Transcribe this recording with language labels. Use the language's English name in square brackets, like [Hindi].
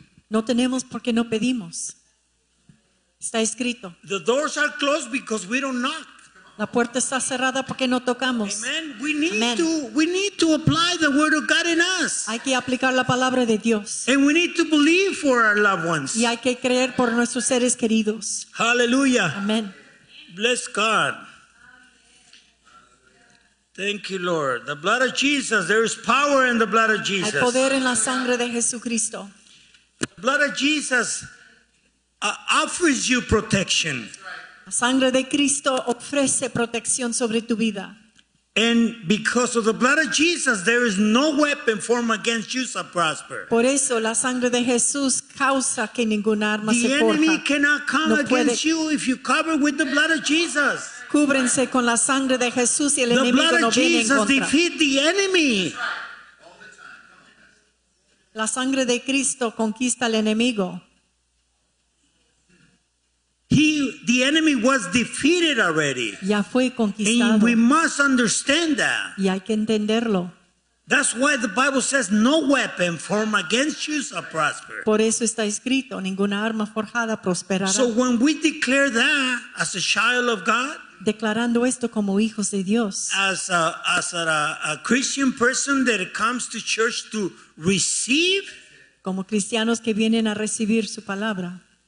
[Spanish] No tenemos porque no pedimos. Está escrito. [English] The doors are closed because we don't knock. [Spanish] La puerta está cerrada porque no tocamos. [English] Amen. We need to apply the word of God in us. [Spanish] Hay que aplicar la palabra de Dios. [English] And we need to believe for our loved ones. [Spanish] Y hay que creer por nuestros seres queridos. [English] Hallelujah. Amen. Bless God. Thank you, Lord. The blood of Jesus. There is power in the blood of Jesus. [Spanish] Hay poder en la sangre de Jesucristo. [English] The blood of Jesus offers you protection. [Spanish] La sangre de Cristo ofrece protección sobre tu vida. [English] And because of the blood of Jesus, there is no weapon formed against you shall prosper. [Spanish] Por eso la sangre de Jesús causa que ninguna arma se forja. [English] The enemy cannot come against you if you cover with the blood of Jesus. [Spanish] Cúbrense con la sangre de Jesús y el enemigo no viene en contra. [English] The blood of Jesus defeat the enemy. [Spanish] La sangre de Cristo conquista al enemigo. [English] The enemy was defeated already. [Spanish] Ya fue conquistado. [English] And we must understand that. [Spanish] Y hay que entenderlo. [English] That's why the Bible says no weapon formed against you shall prosper. [Spanish] Por eso está escrito, ninguna arma forjada prosperará. [English] So when we declare that as a child of God, [Spanish] declarando esto como hijos de Dios, [English] as a Christian person that comes to church to receive, [Spanish] como cristianos que vienen a recibir su palabra,